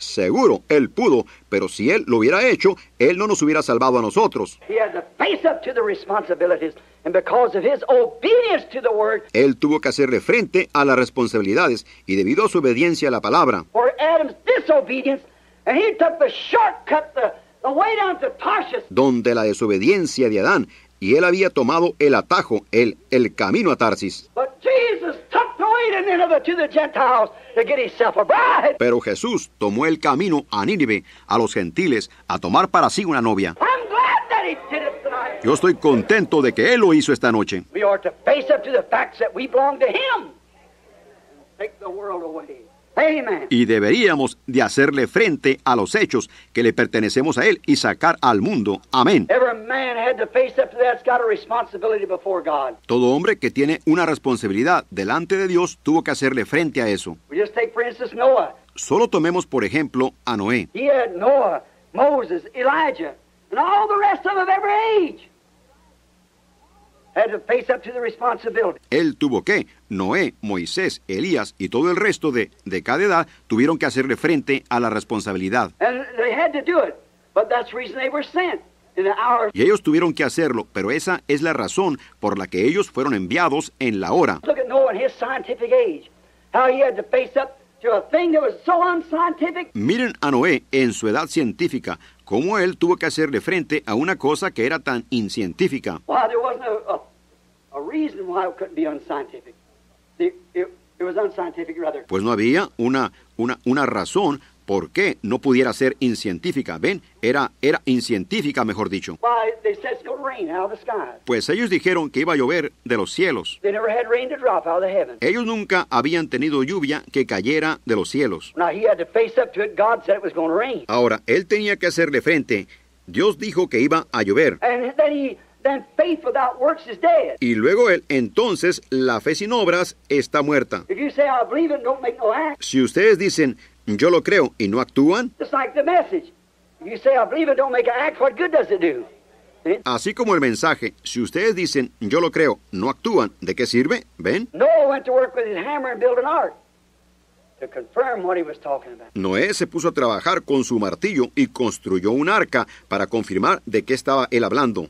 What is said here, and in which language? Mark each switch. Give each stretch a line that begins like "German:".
Spanish: Seguro, él pudo, pero si él lo hubiera hecho, él no nos hubiera salvado a nosotros.
English: He had to face up to the responsibilities, and because of his obedience to the word,
Spanish: él tuvo que hacerle frente a las responsabilidades, y debido a su obediencia a la palabra,
English: for Adam's disobedience, and he took the shortcut, the way down to Tarshish,
Spanish: donde la desobediencia de Adán, y él había tomado el atajo, el camino a Tarsis.
English: But Jesus took the way to Nineveh to the Gentiles to get himself a bride.
Spanish: Pero Jesús tomó el camino a Nínive, a los gentiles, a tomar para sí una novia.
English: I'm glad that he did it tonight.
Spanish: Yo estoy contento de que él lo hizo esta noche.
English: We are to face up to the facts that we belong to him. Take the world away. Amen.
Spanish: Y deberíamos de hacerle frente a los hechos que le pertenecemos a él y sacar al mundo. Amén.
English: Every man had to face up to that's got a responsibility before God.
Spanish: Todo hombre que tiene una responsabilidad delante de Dios tuvo que hacerle frente a eso.
English: We just take for instance Noah.
Spanish: Solo tomemos por ejemplo a Noé.
English: He had Noah, Moses, Elijah, and all the rest of them of every age. Had to face up to the responsibility.
Spanish: Él tuvo que, Noé, Moisés, Elías y todo el resto de cada edad tuvieron que hacerle frente a la responsabilidad.
English: And they had to do it, but that's the reason they were sent. In the hour.
Spanish: Y ellos tuvieron que hacerlo, pero esa es la razón por la que ellos fueron enviados en la hora.
English: Look at Noah in his scientific age, how he had to face up to a thing that was so unscientific.
Spanish: Miren a Noé en su edad científica, cómo él tuvo que hacerle frente a una cosa que era tan incientífica.
English: Why, there wasn't a reason why it couldn't be unscientific. It was unscientific, rather.
Spanish: Pues no había una razón ¿Por qué no pudiera ser incientífica? ¿Ven? Era incientífica, mejor dicho.
English: Why, they said it's gonna rain out of the skies.
Spanish: Pues ellos dijeron que iba a llover de los cielos.
English: They never had rain to drop out of the heavens.
Spanish: Ellos nunca habían tenido lluvia que cayera de los cielos.
English: Now, he had to face up to it. God said it was gonna rain.
Spanish: Ahora, él tenía que hacerle frente. Dios dijo que iba a llover.
English: And then then faith without works is dead.
Spanish: Y luego él, entonces, la fe sin obras está muerta.
English: If you say, I believe it, don't make no act.
Spanish: Si ustedes dicen, yo lo creo y no actúan.
English: It's like the message. You say, I believe it, don't make an act, what good does it do?
Spanish: Así como el mensaje, si ustedes dicen, yo lo creo, no actúan, ¿de qué sirve? ¿Ven?
English: Noah went to work with his hammer and built an ark to confirm what he was talking about.
Spanish: Noé se puso a trabajar con su martillo y construyó un arca para confirmar de qué estaba él hablando.